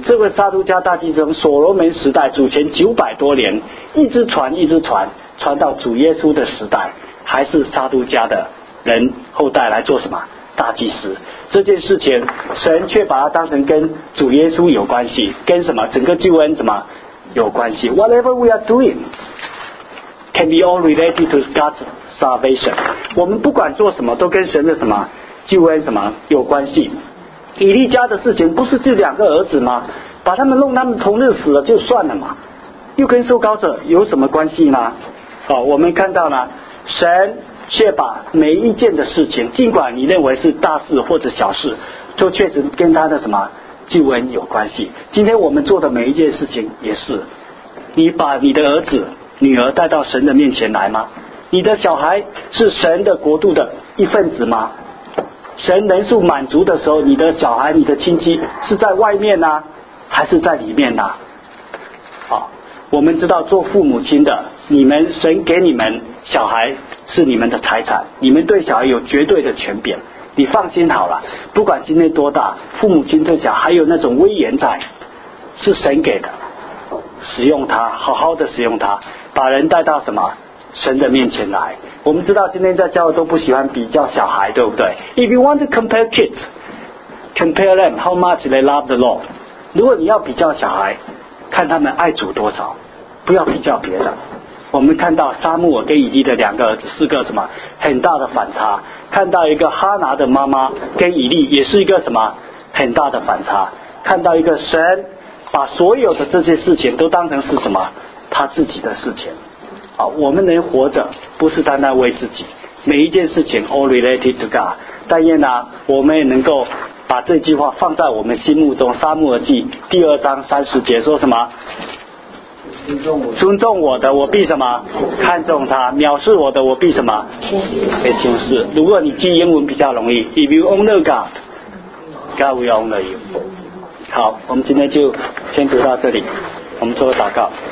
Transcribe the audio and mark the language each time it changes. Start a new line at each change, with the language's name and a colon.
Chinese: 这位撒都家大祭司从所罗门时代主前九百多年一直传一直传，传到主耶稣的时代，还是撒都家的人后代来做什么大祭司。这件事情神却把它当成跟主耶稣有关系，跟什么整个救恩什么有关系。
English: Whatever we are doing can be all related to God's salvation，
Chinese: 我们不管做什么都跟神的什么救恩什么有关系。以利家的事情不是就两个儿子吗？把他们弄他们同日死了就算了嘛，又跟受膏者有什么关系呢？我们看到呢，神却把每一件的事情，尽管你认为是大事或者小事，都确实跟他的什么救恩有关系。今天我们做的每一件事情也是，你把你的儿子女儿带到神的面前来吗？你的小孩是神的国度的一份子吗？神人数满足的时候，你的小孩你的亲戚是在外面呢，还是在里面呢？好，我们知道做父母亲的，你们神给你们小孩是你们的财产，你们对小孩有绝对的权柄，你放心好了，不管今天多大，父母亲对小孩还有那种威严在，是神给的，使用它，好好的使用它，把人带到什么神的面前来。我们知道今天在教会都不喜欢比较小孩，对不对？
English: If you want to compare kids， compare them how much they love the Lord，
Chinese: 如果你要比较小孩，看他们爱主多少，不要比较别的。我们看到撒母耳跟以利的两个儿子是个什么很大的反差，看到一个哈拿的妈妈跟以利也是一个什么很大的反差，看到一个神把所有的这些事情都当成是什么他自己的事情。好，我们能活着不是单单为自己，每一件事情
English: all related to God。
Chinese: 但愿呢，我们也能够把这句话放在我们心目中。撒母耳记第二章三十节说什么？尊重我的，我必什么看重他；藐视我的，我必什么被轻视。如果你记英文比较容易
English: ，If you honor God, God will honor you。
Chinese: 好，我们今天就先读到这里，我们做个祷告。